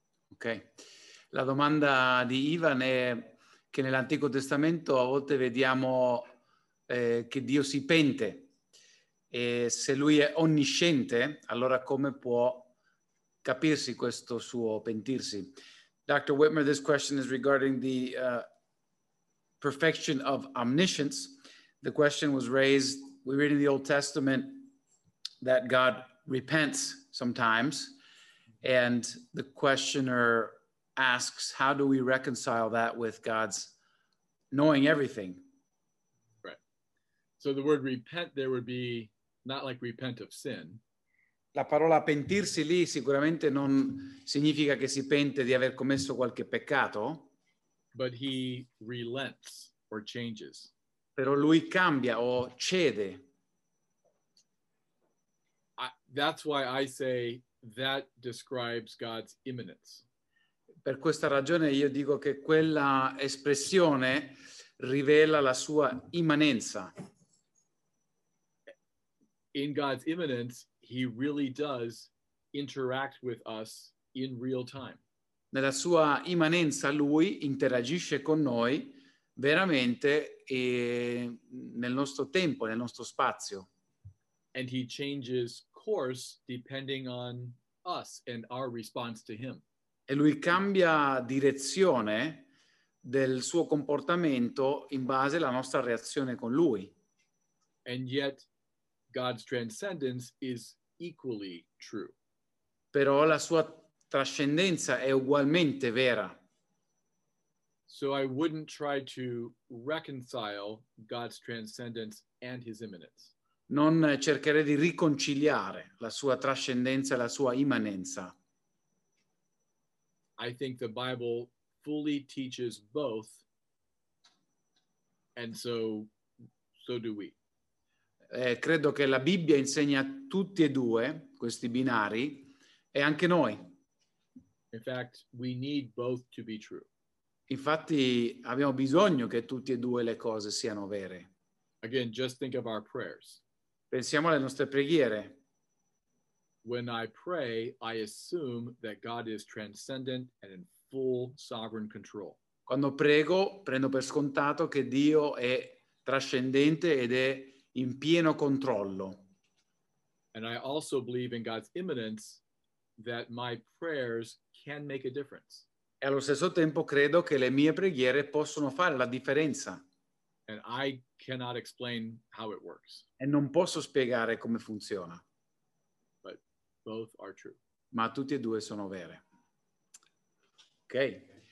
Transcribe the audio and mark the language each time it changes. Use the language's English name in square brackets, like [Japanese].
[Italian] Ok, la domanda di Ivan è che nell'Antico Testamento a volte vediamo che Dio si pente, e se lui è onnisciente, allora come può capirsi questo suo pentirsi. [English] Dr. Whitmer, this question is regarding the perfection of omniscience. The question was raised, we read in the Old Testament that God repents sometimes, and the questioner asks, how do we reconcile that with God's knowing everything? Right. So the word repent there would be not like repent of sin. [Italian] La parola pentirsi lì sicuramente non significa che si pente di aver commesso qualche peccato. [English] But he relents or changes. [Italian] Però lui cambia o cede. [English] That's why I say that describes God's imminence. [Italian] Per questa ragione io dico che quella espressione rivela la sua immanenza. [English] In God's imminence, he really does interact with us in real time. [Italian] Nella sua immanenza, lui interagisce con noi veramente e nel nostro tempo, nel nostro spazio. [English] And he changes course depending on us and our response to him. [Italian] E lui cambia direzione del suo comportamento in base alla nostra reazione con lui. [English] And yet God's transcendence is equally true. [Italian] Però la sua trascendenza è ugualmente vera. [English] So I wouldn't try to reconcile God's transcendence and his immanence. [Italian] Non cercherei di riconciliare la sua trascendenza e la sua immanenza. [English] I think the Bible fully teaches both, and so do we. [Italian] Credo che la Bibbia insegna tutti e due questi binari, e anche noi. [English] In fact, we need both to be true. [Italian] Infatti, abbiamo bisogno che tutti e due le cose siano vere. [English] Again, just think of our prayers. [Italian] Pensiamo alle nostre preghiere. [English] When I pray, I assume that God is transcendent and in full sovereign control. [Italian] Quando prego, prendo per scontato che Dio è trascendente ed è in pieno controllo. [English] And I also believe in God's imminence that my prayers can make a difference. [Italian] E allo stesso tempo credo che le mie preghiere possono fare la differenza. [English] And I cannot explain how it works. [Italian] E non posso spiegare come funziona. [English] But both are true. [Italian] Ma tutti e due sono vere. Ok.